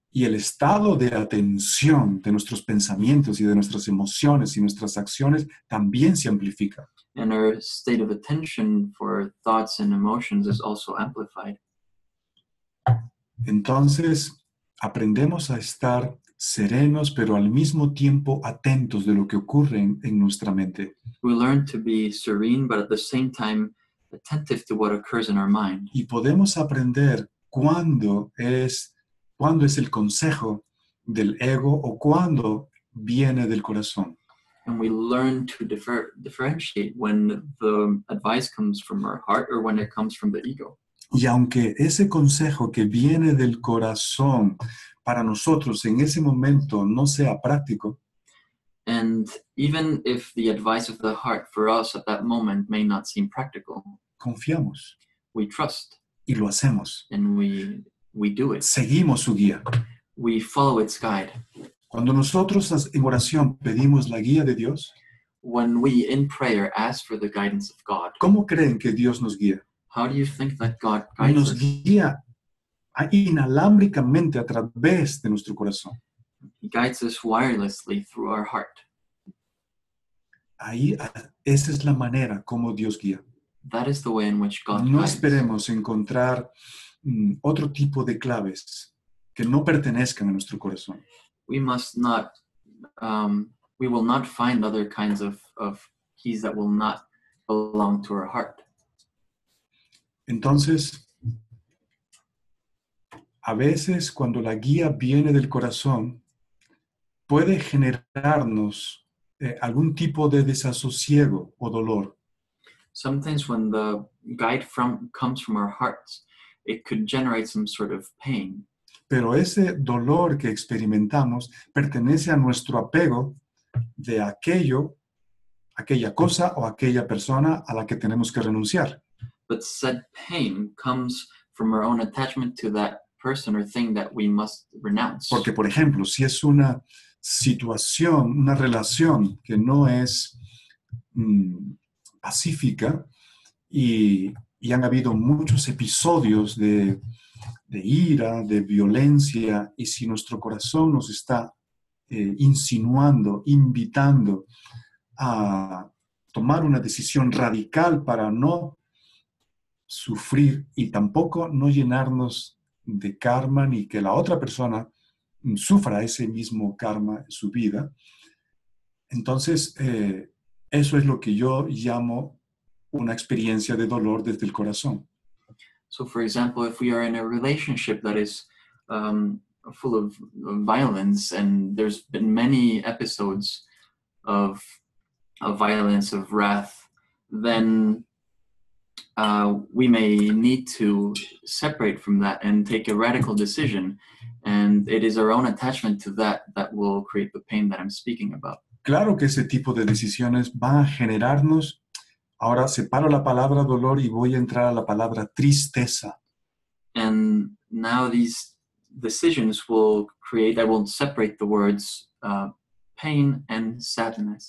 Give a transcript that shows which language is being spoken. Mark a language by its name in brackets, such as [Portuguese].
[Spanish] Y el estado de atención de nuestros pensamientos y de nuestras emociones y nuestras acciones también se amplifica. [English] And our state of attention for thoughts and emotions is also amplified. [Spanish] Entonces, aprendemos a estar serenos, pero al mismo tiempo atentos de lo que ocurre en nuestra mente. [English] We learn to be serene, but at the same time, attentive to what occurs in our mind. [Spanish] Y podemos aprender cuándo es el consejo del ego o cuándo viene del corazón. [English] And we learn to differentiate when the advice comes from our heart or when it comes from the ego. [Spanish] Y aunque ese consejo que viene del corazón para nosotros en ese momento no sea práctico, [English] and even if the advice of the heart for us at that moment may not seem practical, [Spanish] confiamos. [English] We trust. [Spanish] Y lo hacemos. [English] And we do it. [Spanish] Seguimos su guía. [English] We follow its guide. [Spanish] Cuando nosotros en oración pedimos la guía de Dios, [English] when we in prayer ask for the guidance of God, [Spanish] ¿cómo creen que Dios nos guía? [English] How do you think that God guides us? [Spanish] Nos guía inalámbricamente a través de nuestro corazón. [English] He guides us wirelessly through our heart. [Spanish] Ahí, esa es la manera como Dios guía. [English] That is the way in which God guides. [Spanish] No esperemos encontrar otro tipo de claves que no pertenezcan a nuestro corazón. [English] We must not, we will not find other kinds of keys that will not belong to our heart. [Spanish] Entonces, a veces cuando la guía viene del corazón, puede generarnos algún tipo de desasosiego o dolor. [English] Sometimes when the guide comes from our hearts, it could generate some sort of pain. [Spanish] Pero ese dolor que experimentamos pertenece a nuestro apego de aquella cosa o aquella persona a la que tenemos que renunciar. [English] But said pain comes from our own attachment to that person or thing that we must renounce. [Spanish] Porque, por ejemplo, si es una situación, una relación que no es pacífica y han habido muchos episodios de ira, de violencia, y si nuestro corazón nos está insinuando, invitando a tomar una decisión radical para no sufrir y tampoco no llenarnos de karma ni que la otra persona sufra ese mismo karma en su vida. Entonces, eso es lo que yo llamo una experiencia de dolor desde el corazón. [English] So, for example, if we are in a relationship that is full of violence and there's been many episodes of violence, of wrath, then we may need to separate from that and take a radical decision. And it is our own attachment to that will create the pain that I'm speaking about. [Spanish] Claro que ese tipo de decisiones van a generarnos. Ahora separo la palabra dolor y voy a entrar a la palabra tristeza. [English] And now these decisions will create, I will separate the words pain and sadness.